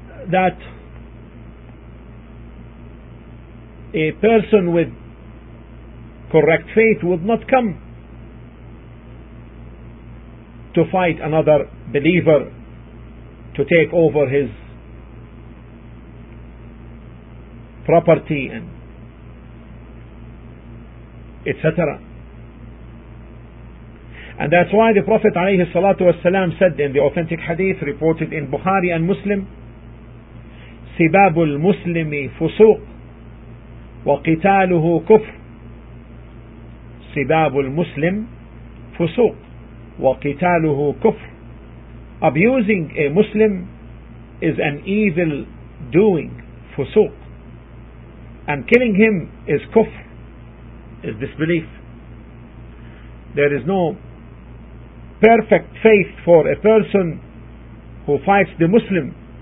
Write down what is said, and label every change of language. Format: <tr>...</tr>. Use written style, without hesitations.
<en>that a person with correct faith would not come to fight another believer to take over his property and etc. And that's why the Prophet عليه الصلاة والسلام said in the authentic hadith reported in Bukhari and Muslim,</en> <ar>سباب المسلم فسوق وقتاله كفر. سباب المسلم فسوق وقتاله كفر.</ar> <en>Abusing a Muslim is an evil doing, فسوق, and killing him is kufr, is disbelief. There is no perfect faith for a person who fights the Muslim.</en>